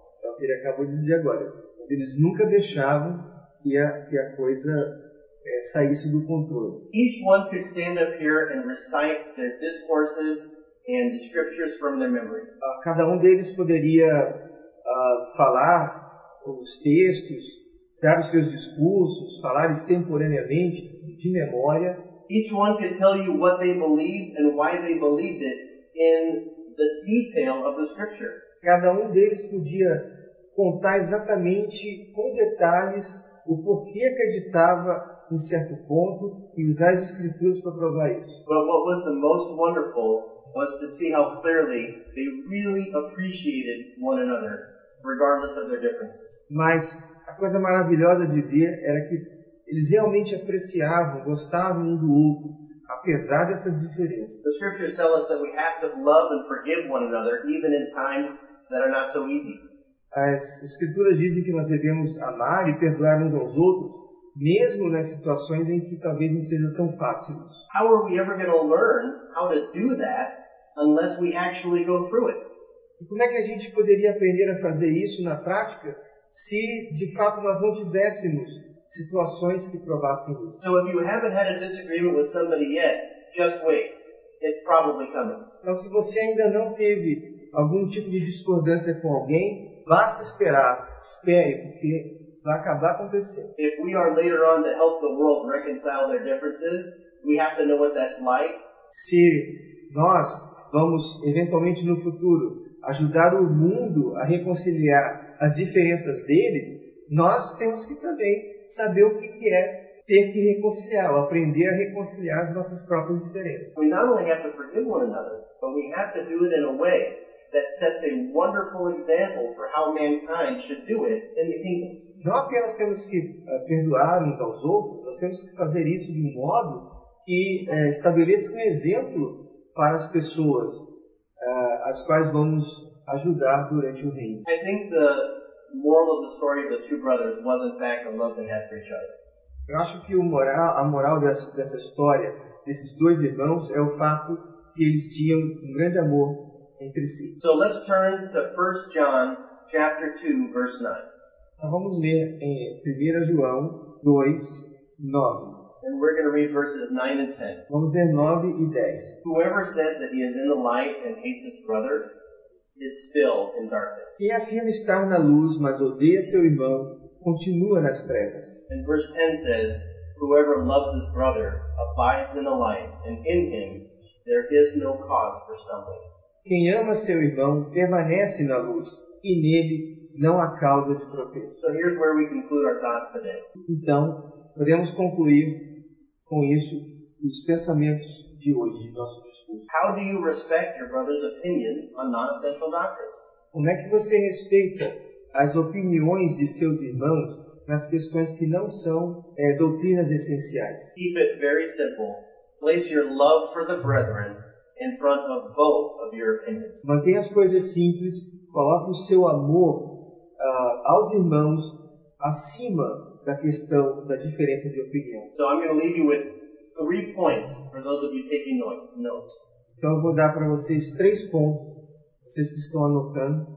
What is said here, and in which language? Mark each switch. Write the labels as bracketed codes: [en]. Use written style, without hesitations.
[pt] É o que ele acabou de dizer agora. Eles nunca deixavam que a coisa saísse do controle. [en] Each one could stand up here and recite their discourses and the scriptures from their memory. [pt] Cada um deles poderia falar os textos, dar os seus discursos, falar extemporaneamente, de memória. [en] Each one could tell you what they believed and why they believed it in the detail of the scripture. [pt] Cada um deles podia contar exatamente com detalhes o porquê acreditava em certo ponto e usar as escrituras para provar isso. [en] But what was the most wonderful was to see how clearly they really appreciated one another, regardless of their differences. [pt] Mas a coisa maravilhosa de ver era que eles realmente apreciavam, gostavam um do outro, apesar dessas diferenças. [en] The scriptures tell us that we have to love and forgive one another, even in times that are not so easy. [pt] As escrituras dizem que nós devemos amar e perdoar uns aos outros, mesmo nas situações em que talvez não sejam tão fáceis. [en] How are we ever going to learn how to do that unless we actually go through it? [pt] E como é que a gente poderia aprender a fazer isso na prática se, de fato, nós não tivéssemos situações que provassem isso? [en] So if you haven't had a disagreement with somebody yet, just wait. It's probably coming. [pt] Então, se você ainda não teve algum tipo de discordância com alguém, basta esperar. Espere, porque vai acabar acontecendo. [en] If we are later on to help the world reconcile their differences, we have to know what that's like. [pt] Se nós vamos, eventualmente no futuro, ajudar o mundo a reconciliar as diferenças deles, nós temos que também saber o que é ter que reconciliar, ou aprender a reconciliar as nossas próprias diferenças. [en] We not only have to forgive one another, but we have to do it in a way that sets a wonderful example for how mankind should do it in the kingdom. [pt] Não apenas temos que perdoar uns aos outros, nós temos que fazer isso de um modo que estabeleça um exemplo para as pessoas as quais vamos ajudar durante o reino. [en] I think the moral of the story of the two brothers was in fact the love they had for each other. [pt] Eu acho que a moral dessa história, desses dois irmãos, é o fato que eles tinham um grande amor entre si. [en] So let's turn to 1 John chapter 2, verse 9. [pt] Então vamos ler em 1 João 2, 9. [en] And we're going to read verses 9 and 10. [pt] Vamos ler 9 e 10. [en] Whoever says that he is in the light and hates his brother is still in darkness. [pt] Quem afirma estar na luz, mas odeia seu irmão, continua nas trevas. [en] And verse 10 says, whoever loves his brother abides in the light, and in him There is no cause for stumbling. [pt] Quem ama seu irmão permanece na luz, e nele não há causa de tropeço. [en] So here's where we conclude our thoughts today. [pt] Então, podemos concluir com isso os pensamentos de hoje, de nosso discurso. [en] How do you respect your brother's opinion on non-essential doctrines? [pt] Como é que você respeita as opiniões de seus irmãos nas questões que não são doutrinas essenciais? [en] Keep it very simple. Place your love for the brethren in front of both of your opinions. [pt] Mantenha as coisas simples. Coloque o seu amor aos irmãos acima da questão da diferença de opinião. [en] So I'm going to leave you with three points for those of you taking notes. [pt] Então eu vou dar para vocês três pontos, vocês que estão anotando.